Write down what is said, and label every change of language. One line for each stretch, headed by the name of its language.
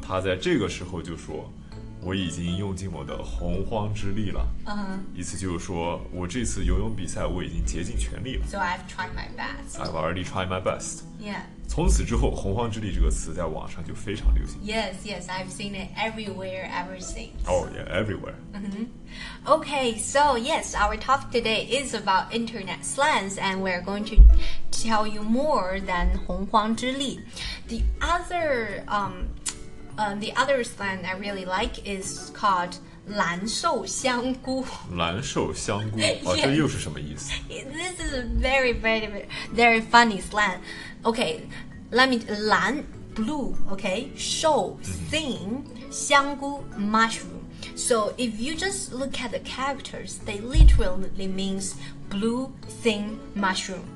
Chinese: 他在这个时候就说，我已经用尽我的洪荒之力了、
English: uh-huh.
Chinese: 意思就是说我这次游泳比赛我已经竭尽全力了。
English: So I've tried my best. I've already tried my best. Yeah.
Chinese: 从此之后洪荒之力这个词在网上就非常流行。
English: Yes, yes, I've seen it everywhere ever since. Oh yeah, everywhere、 mm-hmm. Okay, so yes, our topic today is about internet slangs. And we're going to tell you more than 洪荒之力 The other... the other slang I really like is called 蓝瘦香菇。
Chinese: 蓝瘦香菇，这又是什么意思？
English: This is a very, very, very funny slang. Okay, let me, 蓝, blue, okay, 瘦, thin, 香菇, mushroom. So if you just look at the characters, they literally means blue, thin, mushroom.